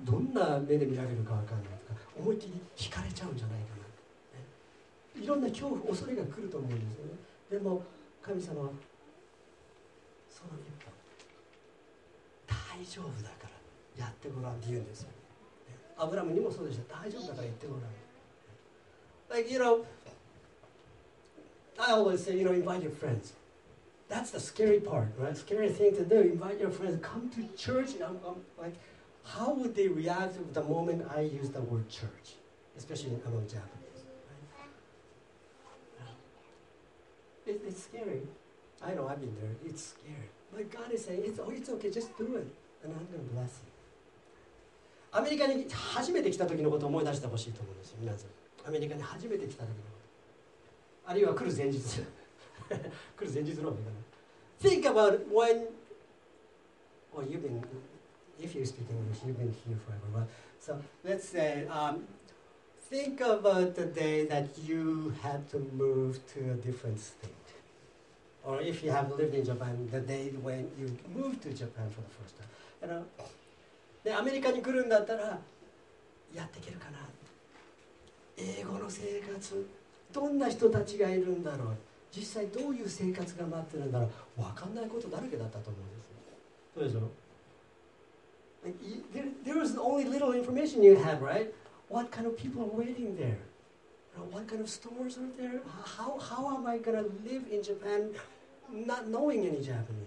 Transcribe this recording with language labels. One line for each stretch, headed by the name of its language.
Japanese: どんな目で見られるか分かんないとか思いっきり惹かれちゃうんじゃないかな、ね、いろんな恐怖恐れが来ると思うんですよね。でも神様はその一歩大丈夫だからやってごらんって言うんですよ。アブラムにもそうでした。大丈夫だから言ってごらん。
English: Like, you know, I always say, you know, invite your friends. That's the scary part, right? Scary thing to do. Invite your friends. Come to church. I'm like, how would they react the moment I use the word church? Especially among Japanese. Right? It's scary. I know I've been there. It's scary. But God is saying, it's okay. Just do it. And I'm going to bless you.
Japanese: アメリカに初めて来た時のことを思い出してほしいと思うんですよ、皆さん。アメリカに初めて来た時のこと。あるいは来る前日。来る前日のほうがいいかな。
English: Think about when, well, you've been, if you're speaking English, you've been here forever. So let's say, think about the day that you had to move to a different state. Or if you have lived in Japan, the day when you moved to Japan for the first time. You know,
Japanese: でアメリカに来るんだったらやっていけるかな。英語の生活どんな人たちがいるんだろう。実際どういう生活が待ってるんだろう。分かんないことだらけだったと思うんですよ。どうでしょう。
English: Like, there was only little information you have, right? What kind of people are waiting there? What kind of stores are there? How am I gonna live in Japan not knowing any Japanese?